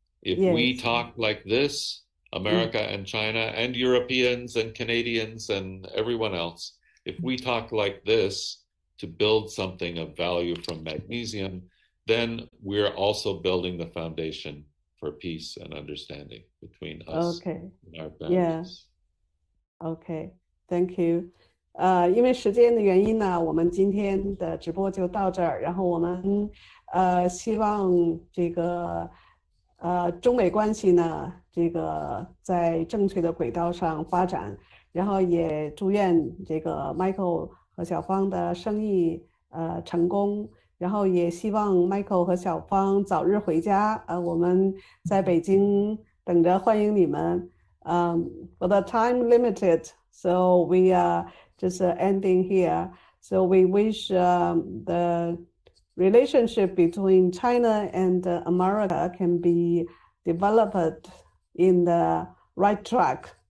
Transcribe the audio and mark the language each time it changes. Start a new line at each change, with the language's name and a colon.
English: If we talk like this, America and China and Europeans and Canadians and everyone else, if we talk like this to build something of value from magnesium, then we're also building the foundation for peace and understanding between us and our families. Yeah. Okay, thank you.
Chinese: 因为时间的原因呢，我们今天的直播就到这儿。然后我们希望这个中美关系呢，这个在正确的轨道上发展。然后也祝愿这个 Michael 和小芳的生意成功，然后也希望 Michael 和小芳早日回家。我们在北京等着欢迎你们。
English: For the time limited, so we are just ending here. So we wish the relationship between China and America can be developed in the right track.